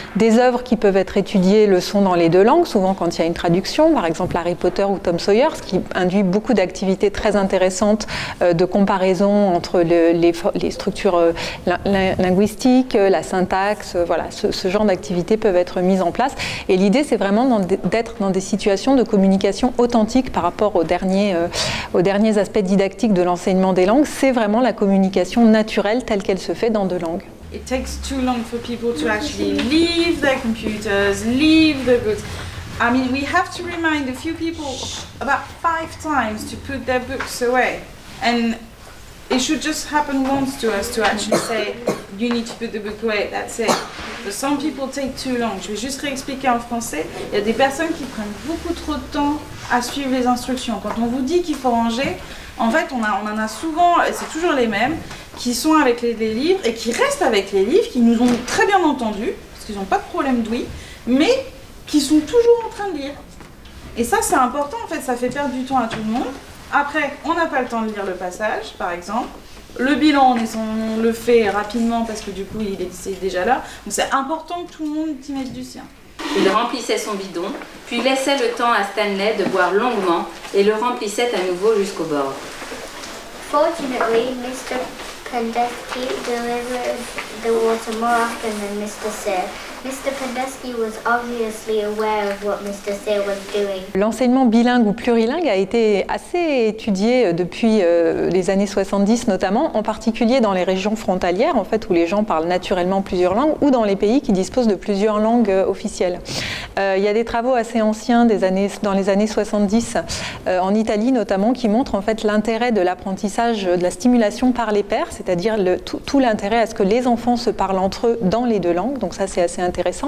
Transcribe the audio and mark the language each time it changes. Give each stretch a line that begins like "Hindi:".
French: Des œuvres qui peuvent être étudiées le sont dans les deux langues, souvent quand il y a une traduction, par exemple Harry Potter ou Tom Sawyer, ce qui induit beaucoup d'activités très intéressantes de comparaison entre les structures linguistiques, la syntaxe, voilà, ce genre d'activités peuvent être mises en place. Et l'idée, c'est vraiment d'être dans des situations de communication authentique par rapport aux derniers aspects didactiques de l'enseignement des langues, c'est vraiment la communication naturelle telle qu'elle se fait dans deux langues.
English: It takes too long for people to actually leave their computers, leave the books. I mean, we have to remind a few people about 5 times to put their books away. And it should just happen once to us to actually say you need to put the book away, that's it. But some people take too long.
French: Je vais juste réexpliquer en français. Il y a des personnes qui prennent beaucoup trop de temps à suivre les instructions. Quand on vous dit qu'il faut ranger, en fait, on en a souvent, et c'est toujours les mêmes, qui sont avec les livres et qui restent avec les livres, qui nous ont très bien entendus, parce qu'ils n'ont pas de problème d'ouïe, mais qui sont toujours en train de lire. Et ça, c'est important, en fait, ça fait perdre du temps à tout le monde. Après, on n'a pas le temps de lire le passage, par exemple. Le bilan, on le fait rapidement parce que du coup, c'est déjà là. Donc c'est important que tout le monde y mette du sien. Il remplissait son bidon, puis laissait le temps à Stanley de boire longuement et le remplissait à nouveau jusqu'au bord.
English: Fortunately, Mr. Pendesky delivered the water more often than Mr. Sir. Mr. Pendesky was obviously aware of what Mr. Sir was doing.
French: L'enseignement bilingue ou plurilingue a été assez étudié depuis les années 70 notamment, en particulier dans les régions frontalières en fait, où les gens parlent naturellement plusieurs langues, ou dans les pays qui disposent de plusieurs langues officielles. Il y a des travaux assez anciens dans les années 70 en Italie notamment, qui montrent en fait l'intérêt de l'apprentissage, de la stimulation par les pairs, c'est-à-dire tout l'intérêt à ce que les enfants se parlent entre eux dans les deux langues. Donc ça, c'est assez intéressant.